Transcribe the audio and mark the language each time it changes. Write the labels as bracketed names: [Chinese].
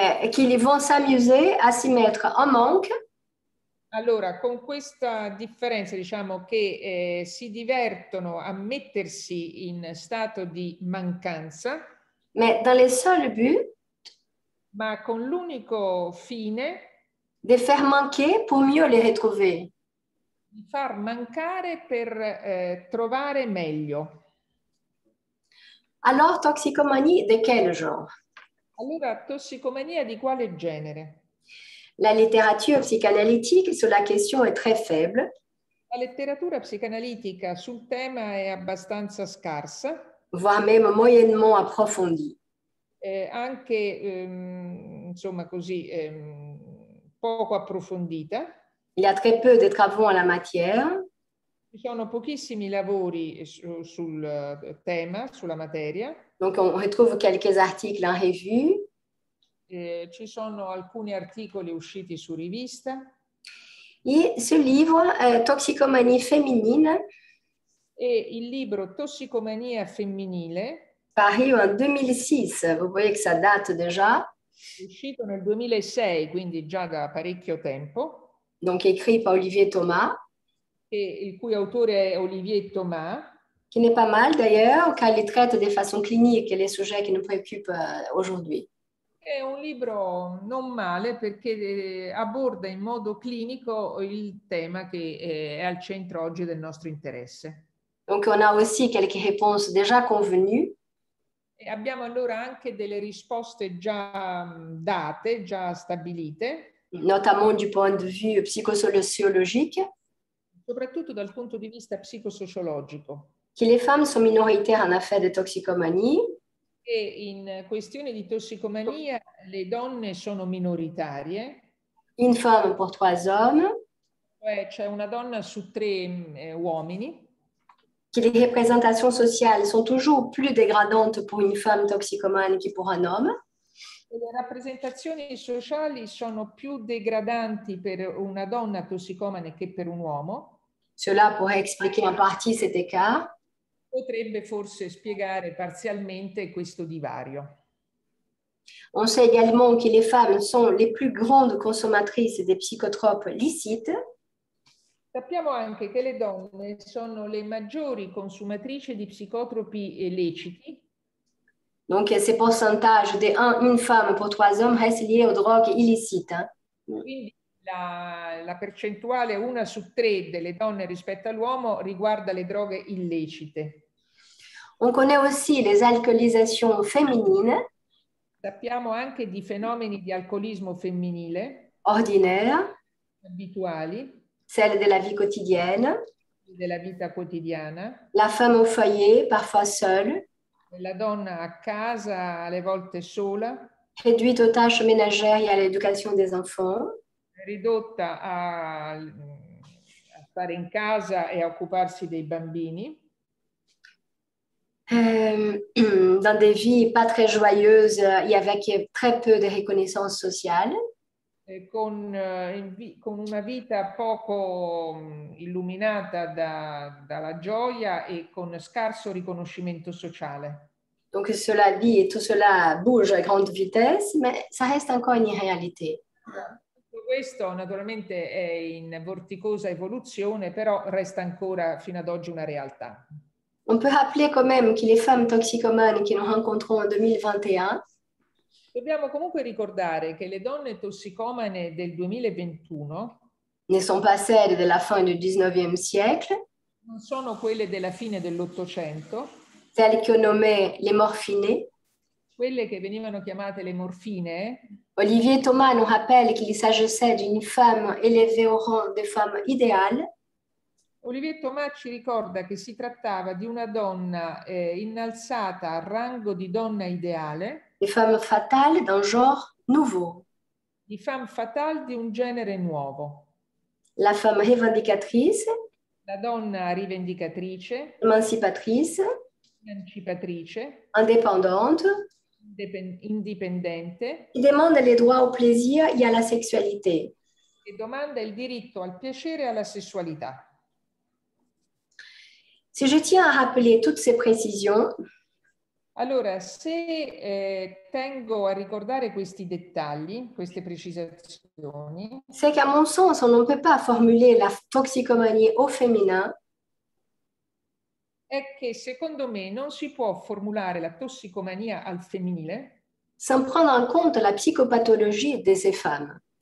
[French] Qu'ils vont s'amuser à s'y mettre en manque. [Italian] Allora, con questa differenza, diciamo che si divertono a mettersi in stato di mancanza. [French] Mais dans le seul but, [Italian] ma con l'unico fine, [French] de faire manquer pour mieux les retrouver. [Italian] Di far mancare per trovare meglio. [French] Alors, toxicomanie de quel genre? [Italian] Allora, tossicomania di quale genere? [French] La littérature psychanalytique sur la question est très faible. [Italian] La letteratura psicanalitica sul tema è abbastanza scarsa. [French] Voire même moyennement approfondie. [Italian] Anche, insomma, così poco approfondita. [French] Il y a très peu de travaux en la matière. [Italian] Ci sono pochissimi lavori sul tema, sulla materia. [French] Donc on retrouve quelques articles en revue. [Italian] Ci sono alcuni articoli usciti su rivista. [French] E ce livre, Toxicomanie féminine, [Italian] e il libro Tossicomania femminile, [French] paru en 2006, vous voyez que ça date déjà. [Italian] Uscito nel 2006, quindi già da parecchio tempo. [French] Donc écrit par Olivier Thomas. [Italian] E il cui autore è Olivier Thomas. [French] Qui n'est pas mal d'ailleurs, car il traite de façon clinique les sujets qui nous préoccupent aujourd'hui. [Italian] È un libro non male perché aborda in modo clinico il tema che è al centro oggi del nostro interesse. [French] Donc on a aussi quelques réponses déjà convenues. [Italian] E abbiamo allora anche delle risposte già date, già stabilite. [French] Notamment du point de vue psychosociologique. [Italian] Soprattutto dal punto di vista psicosociologico. [French] Che le femmes sont minoritaires en affaire de toxicomanie. [Italian] E in questione di tossicomania le donne sono minoritarie. [French] Une femme pour trois hommes. [Italian] Cioè c'è una donna su tre uomini. [French] Che le représentations sociales sont toujours plus dégradantes pour une femme toxicomane que pour un homme. [Italian] Le rappresentazioni sociali sono più degradanti per una donna tossicomane che per un uomo. [French] Cela pourrait expliquer en partie cet écart. [Italian] Potrebbe forse spiegare parzialmente questo divario. [French] On sait également que les femmes sont les plus grandes consommatrices des psychotropes licites. [Italian] Sappiamo anche che le donne sono le maggiori consumatrici di psicotropi illeciti. [French] Donc ce pourcentage de une femme pour trois hommes reste lié aux drogues illicites. [Italian] Quindi la percentuale una su tre delle donne rispetto all'uomo riguarda le droghe illecite. [French] On connaît aussi les alcoolisations féminines. [Italian] Sappiamo anche di fenomeni di alcolismo femminile. [French] Ordinaire. [Italian] Abituali. [French] Celle de la vie quotidienne. [Italian] Della vita quotidiana. [French] La femme au foyer, parfois seule. [Italian] La donna a casa, alle volte sola. [French] Réduite aux tâches ménagères et à l'éducation des enfants. [Italian] Ridotta a stare in casa e a occuparsi dei bambini. [French] Dans des vies pas très joyeuses et avec très peu de reconnaissance sociale. [Italian] Con una vita poco illuminata dalla gioia e con scarso riconoscimento sociale. [French] Donc cela dit et tout cela bouge a grande vitesse, mais ça reste encore une réalité. [Italian] Tutto questo naturalmente è in vorticosa evoluzione, però resta ancora fino ad oggi una realtà. [French] On peut rappeler quand même que les femmes toxicomanes que nous rencontrons en 2021. [Italian] Dobbiamo comunque ricordare che le donne tossicomane del 2021 [French] ne sont pas celles de la fin du 19e siècle. [Italian] Non sono quelle della fine dell'Ottocento. [French] Celle qu'on nommait les morphinées. [Italian] Quelle che venivano chiamate le morfine. [French] Olivier Thomas nous rappelle qu'il s'agissait d'une femme élevée au rang de femme idéale. [Italian] Olivier Thomas ci ricorda che si trattava di una donna innalzata al rango di donna ideale. [French] Les femmes fatales d'un genre nouveau. [Italian] Di femme fatale di un genere nuovo. [French] La femme rivendicatrice. [Italian] La donna rivendicatrice. [French] Emancipatrice. [Italian] Emancipatrice. [French] Indépendante. [Italian] Indipendente. [French] Qui demande les droits au plaisir et à la sexualité. [Italian] Che domanda il diritto al piacere e alla sessualità. [French] Si je tiens à rappeler toutes ces précisions. [Italian] Allora, se tengo a ricordare questi dettagli, queste precisazioni. [French] C'est qu'à mon sens, on ne peut pas formuler la toxicomanie au féminin. [Italian] È che secondo me non si può formulare la tossicomania al femminile. [French] Sans prendre en compte la psicopatologie de ces femmes.